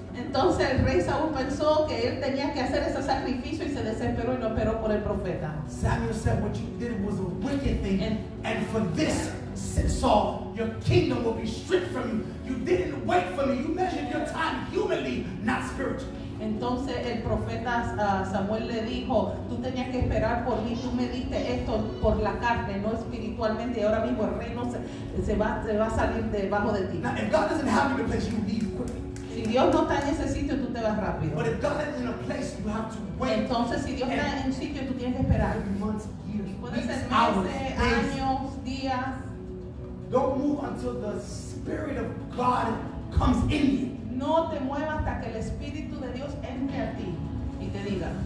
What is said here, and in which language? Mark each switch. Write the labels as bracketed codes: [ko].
[es] Entonces el rey Saúl pensó que él tenía que hacer ese sacrificio y se desesperó y no esperó por el profeta. [en] Samuel said, what you did was a wicked thing. And for this, Saul, your kingdom will be stripped from you. You didn't wait for me. You measured your time humanly, not spiritually. [es] Entonces el profeta Samuel le dijo, tú tenías que esperar por mí, tú me diste esto por la carne, no espiritualmente, y ahora mismo el reino se va a salir debajo de ti. [en] Now, if God doesn't have you in a place, you leave quickly. [es] Si Dios no está en ese sitio, tú te vas rápido. [en] But if God is in a place, you have to wait. [es] Entonces si Dios está en un sitio, tú tienes que esperar. [en] Months, years, [es] puede ser meses, [en] hours, [es] años, días. [en] Don't move until the Spirit of God comes in you. [es] No te muevas hasta que el Espíritu de Dios entre a ti y te diga.